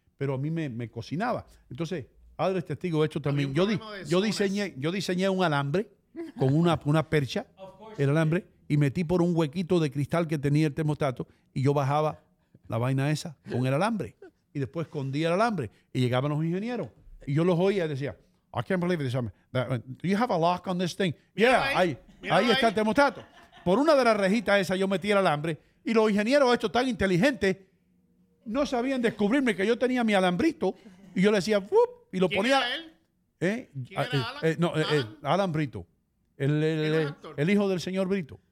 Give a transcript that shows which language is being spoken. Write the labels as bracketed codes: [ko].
[es] Pero a mí me cocinaba. Entonces, Adler es testigo de esto también. Yo diseñé un alambre con una percha, el alambre, y metí por un huequito de cristal que tenía el termostato y yo bajaba la vaina esa con el alambre. y después escondía el alambre y llegaban los ingenieros y yo los oía y decía, I can't believe this. [en] Do you have a lock on this thing? [es] Mira, yeah, ahí está el termostato. Por una de las rejitas esas yo metí el alambre y los ingenieros estos tan inteligentes no sabían descubrirme que yo tenía mi alambrito y yo le decía, ¡whoop! Y lo ponía. ¿Quién era él? Alan Brito. El hijo del señor Brito.